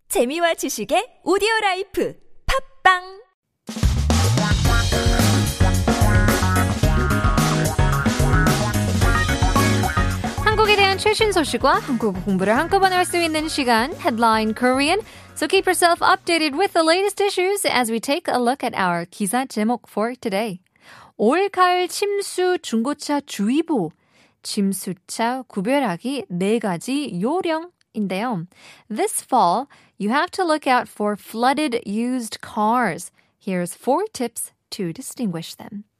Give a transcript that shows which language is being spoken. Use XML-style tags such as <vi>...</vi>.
<ko>재미와 지식의 오디오 라이프. 팟빵! 한국에 대한 최신 소식과 한국어 공부를 한꺼번에 할 수 있는 시간.</ko> <en>Headline Korean. So keep yourself updated with the latest issues as we take a look at our</en> <ko>기사 제목</ko> <en>for today.</en> <ko>올 가을 침수 중고차 주의보, 침수차 구별하기 네 가지 요령인데요.</ko> <en>This fall, you have to look out for flooded used cars. Here's four tips to distinguish them.</en>